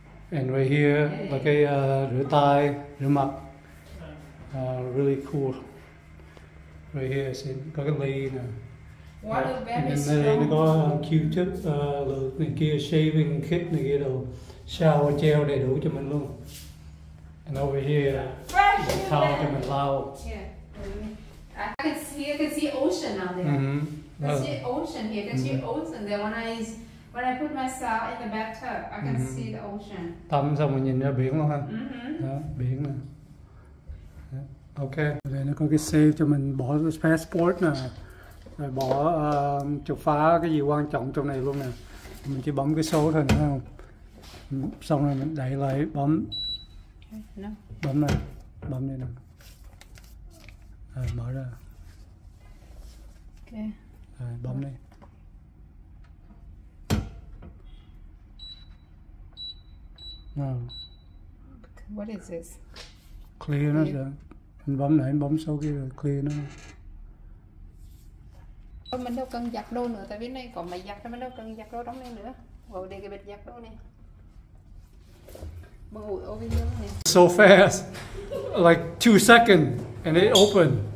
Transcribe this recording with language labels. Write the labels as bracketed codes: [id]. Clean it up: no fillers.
[en] And right here [vi] là cái rửa tay, rửa mặt. [en] Really cool. Right here, see, [vi] có cái ly nè. [en] Water bath is strong. [vi] Có Q-tip, này kia, shaving kit này kia đồ. Shower gel đầy đủ cho mình luôn. [en] And over here, fresh [vi] towel cho mình lau. [en] Yeah. I can see ocean out there. Mm-hmm. I can see ocean. When I put myself in the bathtub, I can see the ocean. [vi] Tắm xong mình nhìn ra biển luôn ha. Mm-hmm. Đó, biển nè. Ok, để nó có cái save cho mình bỏ cái passport nè. Rồi bỏ chìa khóa cái gì quan trọng trong này luôn nè. Mình chỉ bấm cái số thôi nữa không. Xong rồi mình đẩy lại bấm. Bấm này. Bấm đây nè. Rồi mở ra. [en] Ok. [vi] Rồi bấm đi. Nào. [en] What is this? [vi] Clear nó rồi. Mình bấm này, mình bấm sau kia rồi clear nó. Mình đâu cần giặt đồ nữa, tại vì này có máy giặt, mình đâu cần giặt đồ trong này nữa. Wow, để cái bịch giặt đồ này. Bộ ngủ [en] over here [vi] này. [en] So fast, like 2 seconds, and it opened.